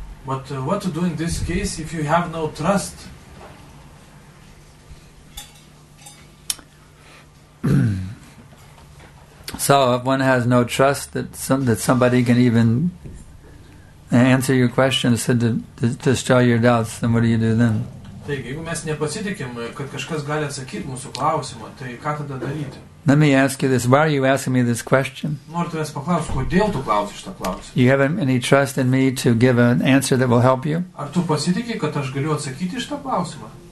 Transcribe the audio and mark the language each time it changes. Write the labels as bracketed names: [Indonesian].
[English] But what to do in this case if you have no trust? So, if one has no trust that somebody can even answer your questions to destroy your doubts, then what do you do then? [Lithuanian] Taigi, jeigu mes nepasitikim, kad kažkas gali atsakyti mūsų klausimą, tai ką tada daryti? [English] Let me ask you this. Why are you asking me this question? [Lithuanian] Noriu tavęs paklausti, kodėl tu klausi šitą klausimą? [English] You have any trust in me to give an answer that will help you? [Lithuanian] Ar tu pasitiki, kad aš galiu atsakyti šitą klausimą?